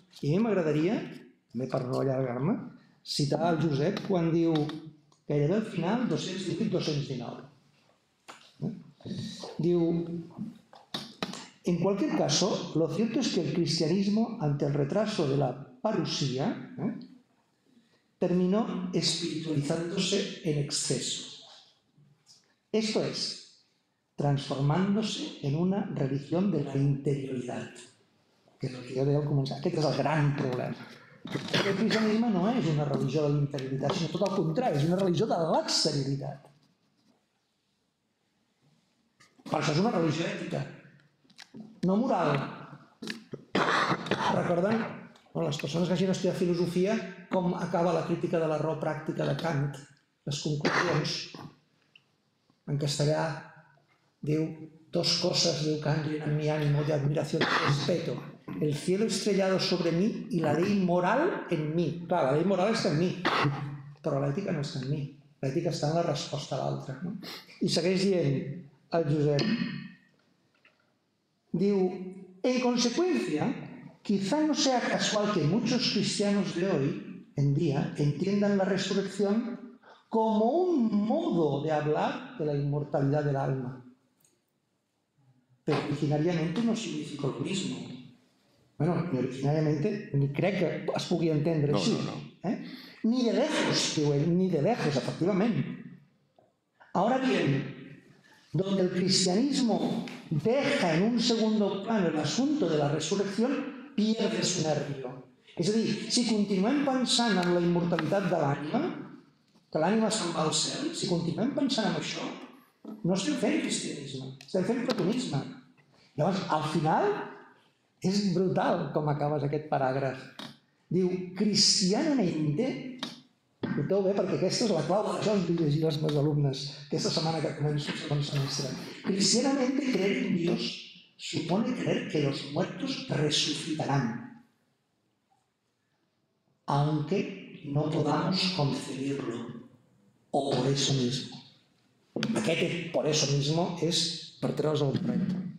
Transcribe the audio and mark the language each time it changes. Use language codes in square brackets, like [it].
[ca] I a mi m'agradaria, també per no allargar-me, citar el Josep quan diu que era del final 218-219. [es] Diu: en cualquier caso, lo cierto es que el cristianismo, ante el retraso de la parusía, terminó espiritualizándose en exceso. Esto es, transformándose en una religión de la interioridad. Que lo que yo veo como [ca] aquest és el gran problema. El cristianisme no és una religió de l'interioritat, sinó tot el contrari, és una religió de l'exterioritat. Per això és una religió ètica, no moral. Recorden, bueno, les persones que hagin estudiat filosofia, com acaba la crítica de la raó pràctica de Kant, les conclusions. En castellà diu: dos coses, diu Kant, [es] en mi ánimo, de admiración y respeto. El cielo estrellado sobre mí y la ley moral en mí. Clar, la ley moral está en mí, pero la ética no está en mí. La ética está en la respuesta a la otra. ¿No? [ca] Y segueix dient el Josep. [es] Diu: en consecuencia, quizá no sea casual que muchos cristianos de hoy en día entiendan la resurrección como un modo de hablar de la inmortalidad del alma. Pero originariamente no significó lo mismo. [ca] Bueno, originalmente ni crec que es pugui entendre així. No, no, no. [es] Ni de lejos, [ca] diu ell, [es] ni de lejos, efectivament. Ahora bien, donde el cristianismo deja en un segundo plano el asunto de la resurrección, pierde su nervio. [ca] És a dir, si continuem pensant en la immortalitat de l'ànima, que l'ànima se'n va al cel, si continuem pensant en això, no estem fent cristianisme, estem fent platonisme. Llavors, al final, és brutal com acabes aquest paràgraf. Diu: cristianamente, escolteu bé, perquè aquesta és la clau de això, vull llegir als meus alumnes aquesta setmana que començo el segon semestre. [es] Cristianamente, creer en Dios supone creer que los muertos resucitarán, aunque no podamos concebirlo, o por eso mismo. [ca] Aquest [es] por eso mismo [ca] és per treure's el barret.